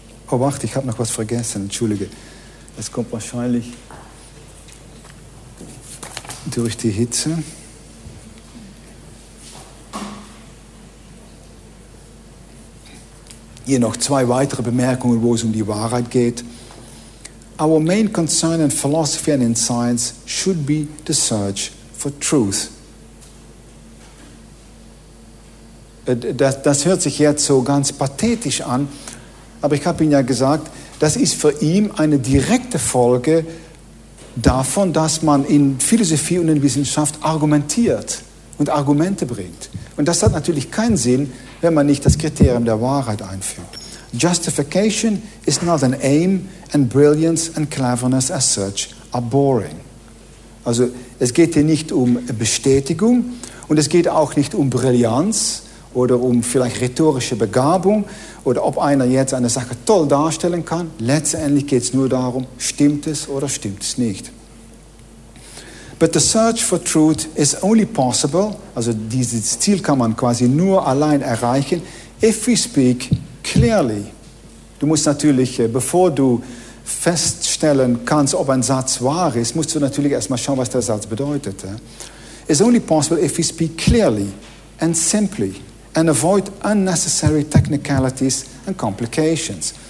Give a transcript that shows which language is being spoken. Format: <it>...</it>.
<de>Oh, warte, ich habe noch was vergessen, entschuldige. Es kommt wahrscheinlich durch die Hitze. Hier noch zwei weitere Bemerkungen, wo es um die Wahrheit geht.</de> <en>Our main concern in philosophy and in science should be the search for truth.</en> <de>Das hört sich jetzt so ganz pathetisch an, aber ich habe Ihnen ja gesagt, das ist für ihn eine direkte Folge davon, dass man in Philosophie und in Wissenschaft argumentiert und Argumente bringt. Und das hat natürlich keinen Sinn, wenn man nicht das Kriterium der Wahrheit einfügt.</de> <en>Justification is not an aim and brilliance and cleverness as such are boring.</en> <de>Also es geht hier nicht um Bestätigung und es geht auch nicht um Brillanz oder um vielleicht rhetorische Begabung oder ob einer jetzt eine Sache toll darstellen kann. Letztendlich geht es nur darum, stimmt es oder stimmt es nicht.</de> <en>But the search for truth is only possible,</en> <de>also dieses Ziel kann man quasi nur allein erreichen,</de> <en>if we speak clearly.</en> <de>Du musst natürlich, bevor du feststellen kannst, ob ein Satz wahr ist, musst du natürlich erstmal schauen, was der Satz bedeutet.</de> <en>It's only possible if we speak clearly and simply and avoid unnecessary technicalities and complications.</en>